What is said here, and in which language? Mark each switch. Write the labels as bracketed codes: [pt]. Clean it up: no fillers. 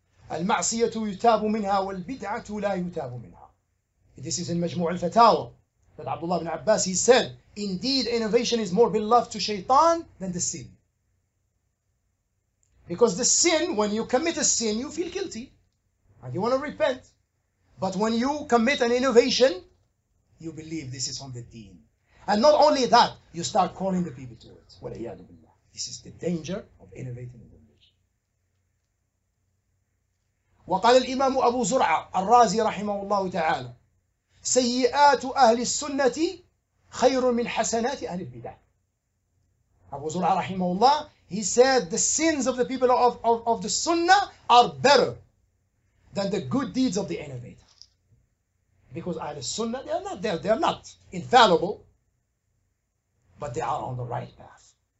[ar] المعصية يتاب منها والبدعة لا يتاب منها. [en] This is in مجموع الفتاوى. That Abdullah ibn Abbas, he said, indeed innovation is more beloved to shaitan than the sin. Because the sin, when you commit a sin, you feel guilty. And you want to repent. But when you commit an innovation, you believe this is from the deen. And not only that, you start calling the people to it. [ar] وَلَيَّادُ بِاللَّهِ. [en] This is the danger of innovating. [ar] وقال الإمام أبو زرعة الرازي رحمه الله تعالى سيئات أهل السنة خير من حسنات أهل البدع. [en] أبو زرعة [ar] رحمه الله, [en] he said the sins of the people of the Sunnah are better than the good deeds of the innovator, because أهل السنة they are not infallible, but they are on the right path.